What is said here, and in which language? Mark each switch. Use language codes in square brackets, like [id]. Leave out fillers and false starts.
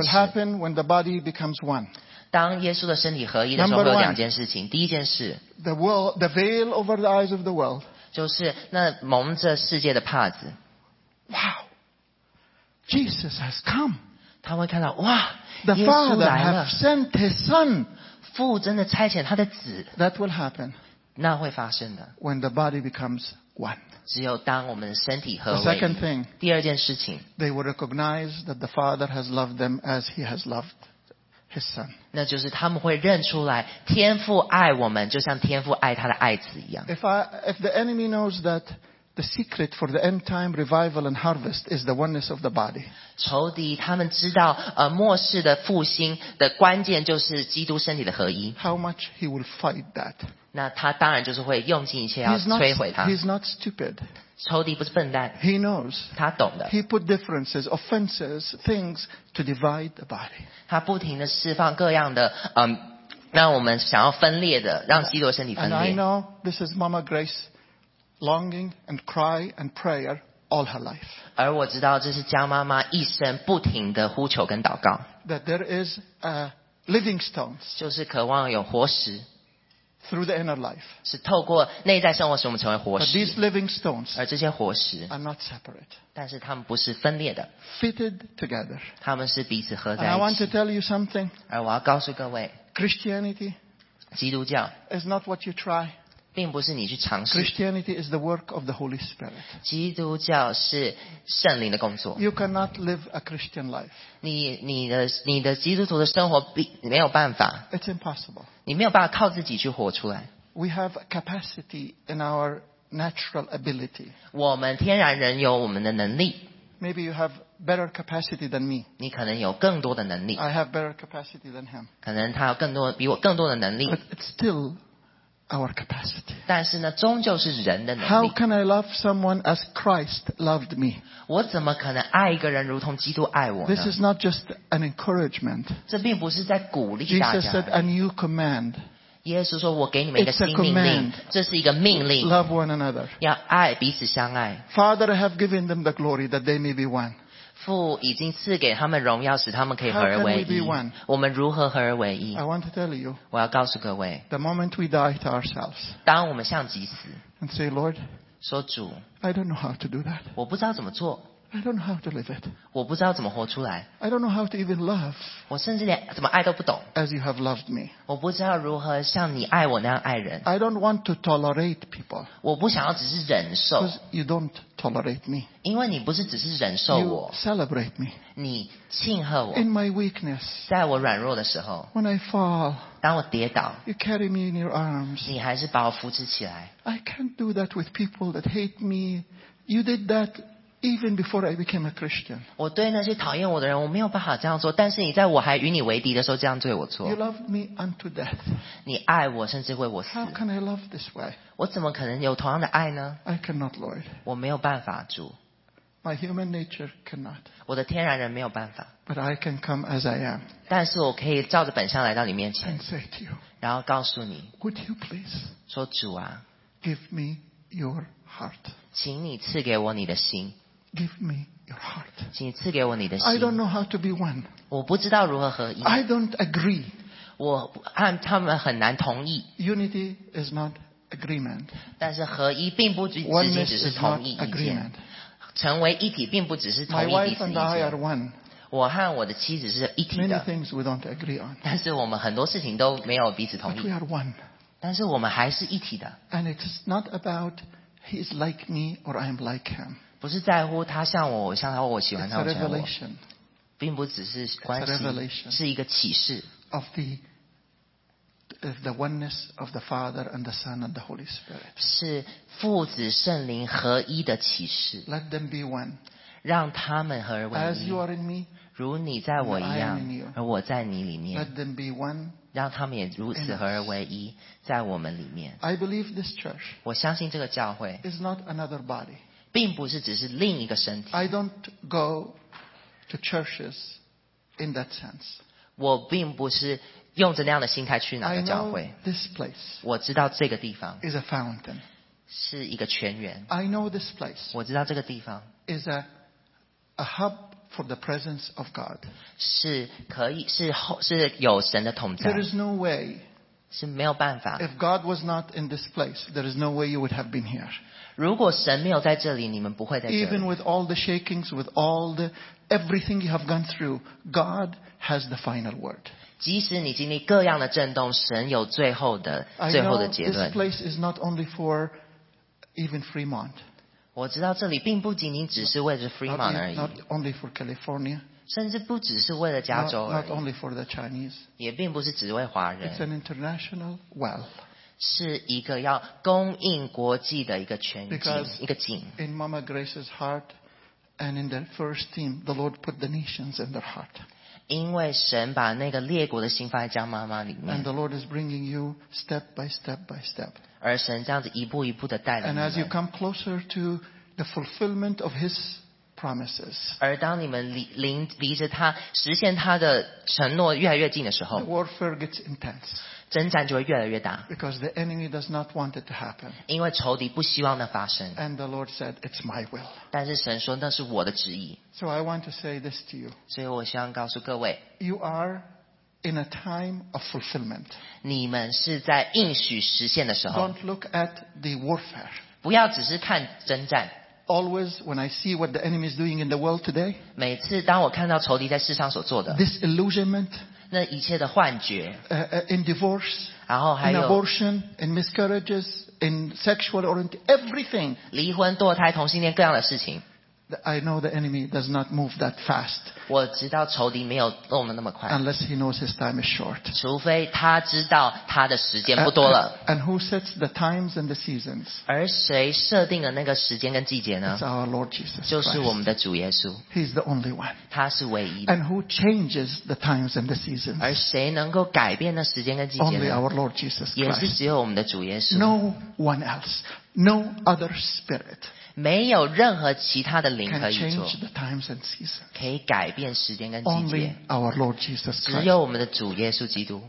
[en] Will happen when the body becomes one. [zh] 当耶稣的身体合一的时候，会有两件事情。第一件事 [en] the world, the veil over the eyes of the world, [zh] 就是那蒙着世界的帕子。 [en] Wow, Jesus has come. [zh] 他会看到哇，耶稣来了。 [en] The Father has sent His Son. [zh] 父真的差遣他的子。 [en] That will happen. [zh] 那会发生的。 [en] When the body becomes one. [zh] 只有当我们的身体合一。 [en] The second thing. [zh] 第二件事情 [en] they will recognize that the Father has loved them as He has loved. His son. [zh] 那就是他们会认出来天父爱我们就像天父爱他的爱子一样。 [en] If the enemy knows that the secret for the end time revival and harvest is the oneness of the body. [zh] 仇敌他们知道末世的复兴的关键就是基督身体的合一。 [en] How much he will fight that. [zh] 那他当然就是会用尽一切要摧毁他。 [en] He's not stupid. [zh] 仇敌不是笨蛋。 [en] He knows. [zh] 他懂的。 [en] He put differences, offenses, things to divide the body. [zh] 他不停地释放各样的让我们想要分裂的，让基督身体分裂。 [en] And I know this is Mama Grace longing and cry and prayer all her life. [zh] 而我知道这是江妈妈一生不停地呼求跟祷告。 [en] That there is a living stones. [zh] 就是渴望有活石。 [en] Through the inner life. [zh] 是透过内在生活使我们成为活石。 [en] But these living stones. [zh] 而这些活石。 [en] Are not separate. [zh] 但是他们不是分裂的。 [en] Fitted together. [zh] 他们是彼此合在一起。 [en] And I want to tell you something. [zh] 而我要告诉各位。 [en] Christianity. [zh] 基督教。 [en] Is not what you try. [zh] 并不是你去尝试。 [en] Christianity is the work of the Holy Spirit. [zh] 基督教是圣灵的工作。 [en] You cannot live a Christian life. [zh] 你的基督徒的生活没有办法。 [en] It's impossible. [zh] 你没有办法靠自己去活出来。 [en] We have capacity in our natural ability. [zh] 我们天然人有我们的能力。 [en] Maybe you have better capacity than me. [zh] 你可能有更多的能力。 [en] I have better capacity than him. [zh] 可能他有更多比我更多的能力。 [en] But it's still our capacity. [zh] 但是呢，终究是人的能力。 [en] How can I love someone as Christ loved me? [zh] 我怎么可能爱一个人如同基督爱我呢？ [en] This is not just an encouragement. [zh] 这并不是在鼓励大家。 [en] Jesus said a new command. [zh] 耶稣说我给你们一个新命令，这是一个命令。 [en] Love one another. [zh] 要爱彼此相爱。 [en] Father, I have given them the glory that they may be one. [zh] 父已经赐给他们荣耀，使他们可以合而为一。我们如何合而为一？ [en] I want to tell you, [zh] 我要告诉各位。 [en] The moment we die to ourselves, [zh] 当我们向己死。 [en] And say, Lord, [zh] 说主。 [en] I don't know how to do that. [zh] 我不知道怎么做。 [en] I don't know how to live it. [zh] 我不知道怎么活出来。 [en] I don't know how to even love. [zh] 我甚至连怎么爱都不懂。 [en] As you have loved me. [zh] 我不知道如何像你爱我那样爱人。 [en] I don't want to tolerate people. [zh] 我不想要只是忍受。 [en] Because you don't tolerate me. [zh] 因为你不是只是忍受我。 [en] You celebrate me. [zh] 你庆贺我。 [en] In my weakness. [zh] 在我软弱的时候。 [en] When I fall. [zh] 当我跌倒。 [en] You carry me in your arms. [zh] 你还是把我扶持起来。 [en] I can't do that with people that hate me. You did that. Even before I became a Christian, [zh] 我对那些讨厌我的人，我没有办法这样做。但是你在我还与你为敌的时候，这样对我做。 [en] You loved me unto death. [zh] 你爱我，甚至为我死。 [en] How can I love this way? [zh] 我怎么可能有同样的爱呢？ [en] I cannot, Lord. [zh] 我没有办法主。 [en] My human nature cannot. [zh] 我的天然人没有办法。 [en] But I can come as I am. [zh] 但是我可以照着本相来到你面前。 [en] And say to you. [zh] 然后告诉你。 [en] Would you please? [zh] 说主啊。 [en] Give me your heart. [zh] 请你赐给我你的心。 [en] Give me your heart. [zh] 请赐给我你的心。 [en] I don't know how to be one. [zh] 我不知道如何合一。 [en] I don't agree. [zh] 我和他们很难同意。 [en] Unity is not agreement. [zh] 但是合一并不只仅仅只是同意意见。成为一体并不只是同意彼此意见。我和我的妻子是一体的。 [en] Many things we don't agree on. [zh] 但是我们很多事情都没有彼此同意。 [en] But we are one. [zh] 但是我们还是一体的。 [en] And it's not about he is like me or I am like him. [zh] 不是在乎他像我，我像他，我喜欢他，我喜欢我，并不只是关系，是一个启示。 [en] Of the oneness of the Father and the Son and the Holy Spirit. [zh] 是父子圣灵合一的启示。 [en] Let them be one. [zh] 让他们合而为一。 [en] As you are in me, [zh] 如你在我一样，而我在你里面。 [en] Let them be one. [zh] 让他们也如此合而为一，在我们里面。 [en] I believe this church. [zh] 我相信这个教会。 [en] Is not another body. [zh] 并不是只是另一个身体。 [en] I don't go to churches in that sense. [zh] 我并不是用着那样的心态去哪个教会。 [en] I know this place. [zh] 我知道这个地方。 [en] Is a fountain. [zh] 是一个泉源。 [en] I know this place. [zh] 我知道这个地方。 [en] Is a hub for the presence of God. [zh] 是可以是有神的同在。 [en] There is no way. [zh] 是没有办法。 [en] If God was not in this place, there is no way you would have been here. [zh] 如果神没有在这里，你们不会在这里。 [en] Even with all the shakings, with all the everything you have gone through, God has the final word. [zh] 即使你经历各样的震动，神有最后的结论。 [en] I know this place is not only for even Fremont. [zh] 我知道这里并不仅仅只是为了 Fremont 而已。 [en] Not only for California. [zh] 甚至不只是为了加州而已 [en] not only for the Chinese, [zh] 也并不是只为华人 [en] it's an international wealth, [zh] 是一个要供应国际的一个泉井 [en] because [zh] 一个井 [en] in Mama Grace's heart and in their first team the Lord put the nations in their heart [zh] 因为神把那个列国的心放在江妈妈里面 [en] and the Lord is bringing you step by step by step [zh] 而神这样子一步一步的带领你们 [en] and as you come closer to the fulfillment of hisPromises. [zh] 而当你们离着他实现他的承诺越来越近的时候 [en] the warfare gets intense. [zh] 征战就会越来越大 [en] Because the enemy does not want it to happen. [zh] 因为仇敌不希望那发生 [en] And the Lord said, it's my will. [zh] 但是神说那是我的旨意 [en] So I want to say this to you. [zh] 所以我希望告诉各位 [en] You are in a time of fulfillment. [zh] 你们是在应许实现的时候 [en] Don't look at the warfare. [zh] 不要只是看征战 [en] Always, when I see what the enemy is doing in the world today, [zh] 每次当我看到仇敌在世上所做的 [en] this illusionment, [zh] 那一切的幻觉 [en] in divorce, [zh] 然后还有 [en] in abortion, in miscarriages, in sexual orientation, everything, [zh] 离婚、堕胎、同性恋各样的事情 [en] I know the enemy does not move that fast. [zh] 我知道仇敌没有动得那么快 [en] unless he knows his time is short. [zh] 除非他知道他的时间不多了 [en] and who sets the times and the seasons? [zh] 而谁设定了那个时间跟季节呢 [en] It's our Lord Jesus Christ. [zh] 就是我们的主耶稣 [en] He's the only one. [zh] 他是唯一的 [en] and who changes the times and the seasons? [zh] 而谁能够改变那时间跟季节呢 [en] Only our Lord Jesus Christ. [zh] 也是只有我们的主耶稣 [en] No one else. No other spirit. [zh] 没有任何其他的灵可以做可以改变时间跟季节 [en] our Lord Jesus [zh] 只有我们的主耶稣基督